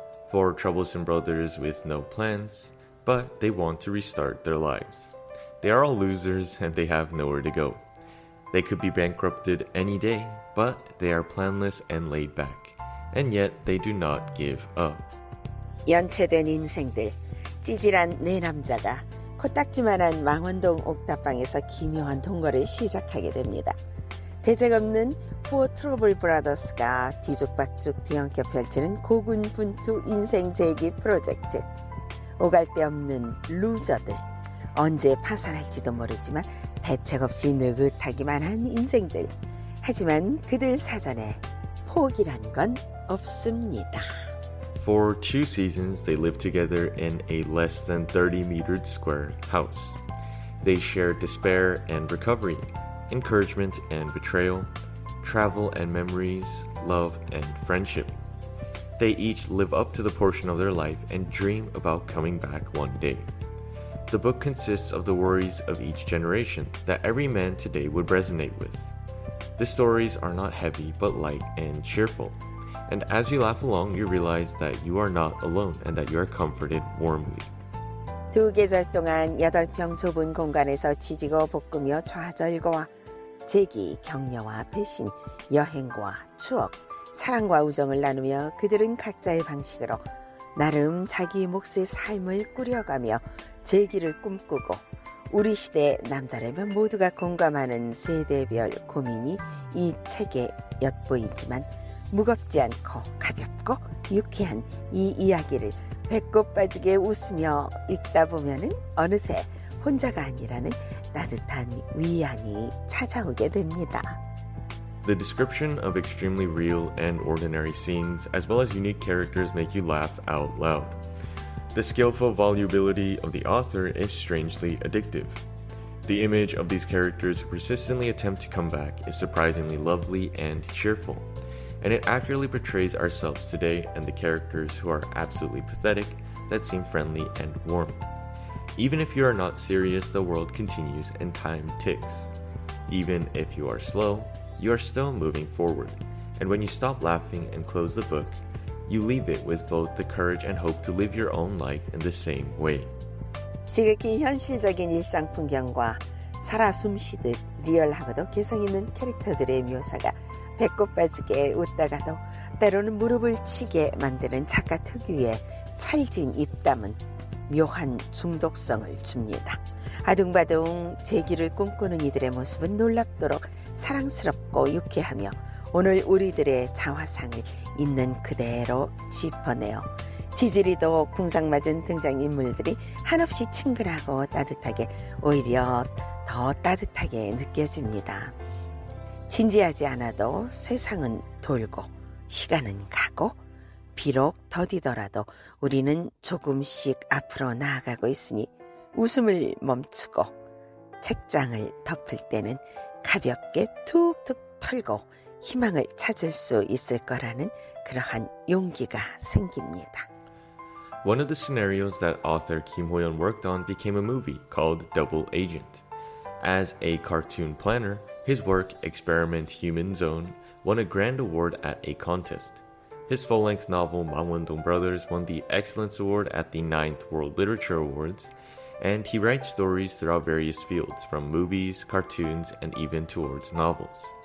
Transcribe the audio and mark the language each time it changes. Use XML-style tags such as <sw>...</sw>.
<en>4 troublesome brothers with no plans, but they want to restart their lives. They are all losers and they have nowhere to go. They could be bankrupted any day, but they are planless and laid back. And yet, they do not give up.</en> <ko>연체된 인생들, 찌질한 네 남자가 코딱지만한 망원동 옥탑방에서 기묘한 동거를 시작하게 됩니다. 대책 없는 Four Trouble Brothers가 뒤죽박죽 뒤엉켜 펼치는 고군분투 인생 재기 프로젝트. 오갈 데 없는 루저들, 언제 파산할지도 모르지만 대책 없이 느긋하기만 한 인생들. 하지만 그들 사전에 포기란 건 없습니다.</ko> <en>For two seasons, they live together in a less than 30-metered square house. They share despair and recovery, encouragement and betrayal, travel and memories, love and friendship. They each live up to the portion of their life and dream about coming back one day. The book consists of the worries of each generation that every man today would resonate with. The stories are not heavy, but light and cheerful. And as you laugh along, you realize that you are not alone and that you are comforted warmly.</en> <ko>두 계절 동안 8평 좁은 공간에서 지지고 볶으며 좌절과 재기, 격려와 배신, 여행과 추억, 사랑과 우정을 나누며 그들은 각자의 방식으로 나름 자기 몫의 삶을 꾸려가며 재기를 꿈꾸고 우리 시대 남자라면 모두가 공감하는 세대별 고민이 이 책에 엿보이지만 무겁지 않고 가볍고 유쾌한 이 이야기를 배꼽 빠지게 웃으며 읽다 보면은 어느새 혼자가 아니라는 따뜻한 위안이 찾아오게 됩니다.</ko> <en>The description of extremely real and ordinary scenes as well as unique characters make you laugh out loud. The skillful volubility of the author is strangely addictive. The image of these characters who persistently attempt to come back is surprisingly lovely and cheerful. And it accurately portrays ourselves today and the characters who are absolutely pathetic that seem friendly and warm. Even if you are not serious, the world continues and time ticks. Even if you are slow, you are still moving forward. And when you stop laughing and close the book, you leave it with both the courage and hope to live your own life in the same way.</en> <ko>지극히 현실적인 일상 풍경과 살아 숨쉬듯 리얼하고도 개성 있는 캐릭터들의 묘사가 배꼽 빠지게 웃다가도 때로는 무릎을 치게 만드는 작가 특유의 찰진 입담은 묘한 중독성을 줍니다. 아둥바둥 재기를 꿈꾸는 이들의 모습은 놀랍도록 사랑스럽고 유쾌하며 오늘 우리들의 자화상을 있는 그대로 짚어내어 지지리도 궁상맞은 등장인물들이 한없이 친근하고 따뜻하게 오히려 더 따뜻하게 느껴집니다. 진지하지 않아도 세상은 돌고 시간은 가고 비록 더디더라도 우리는 조금씩 앞으로 나아가고 있으니 웃음을 멈추고 책장을 덮을 때는 가볍게 툭툭 털고 희망을 찾을 수 있을 거라는 그러한 용기가 생깁니다.</ko> <en>One of the scenarios that author Kim Ho-yeon worked on became a movie called Double Agent. As a cartoon planner, his work, Experiment Human Zone, won a grand award at a contest. His full-length novel, Mamwon-dong Brothers, won the Excellence Award at the 9th World Literature Awards, and he writes stories throughout various fields, from movies, cartoons, and even towards novels.</en>